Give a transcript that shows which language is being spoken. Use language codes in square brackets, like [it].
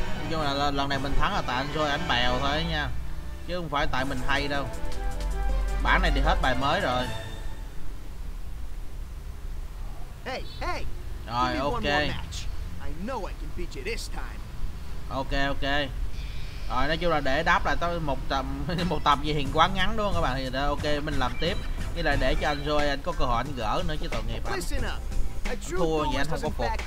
[vi] Nhưng mà lần này mình thắng là tại anh Joy ảnh bèo thôi nha, chứ không phải tại mình hay đâu. Bản này thì hết bài mới rồi. Hey, hey. Rồi, ok. [en] I know I can beat you this time. Ok, ok. [vi] Rồi, nói chung là để đáp lại tới một tập gì hiện quá ngắn đúng không các bạn? Thì ok, mình làm tiếp. Với lại để cho anh Joy anh có cơ hội anh gỡ nữa chứ tội nghiệp anh. Thua vậy anh không có phục.